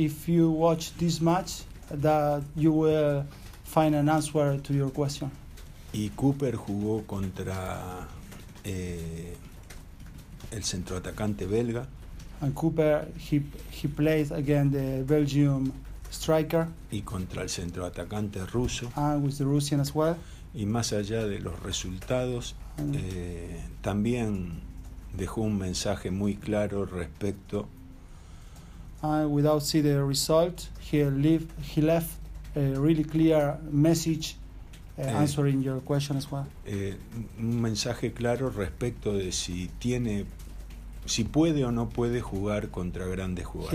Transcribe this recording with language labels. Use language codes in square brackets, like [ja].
[en] If you watch this match, that you will find an answer to your question. [es] Y Cooper jugó contra el centroatacante belga. [en] And Cooper he played against the Belgium striker. [es] Y contra el centroatacante ruso. [en] And with the Russian as well. [es] Y más allá de los resultados, también dejó un mensaje muy claro respecto. [en] And without seeing the result, he left a really clear message answering your question as well. [es] Un mensaje claro respecto de si tiene, si puede o no puede jugar contra grandes jugadores.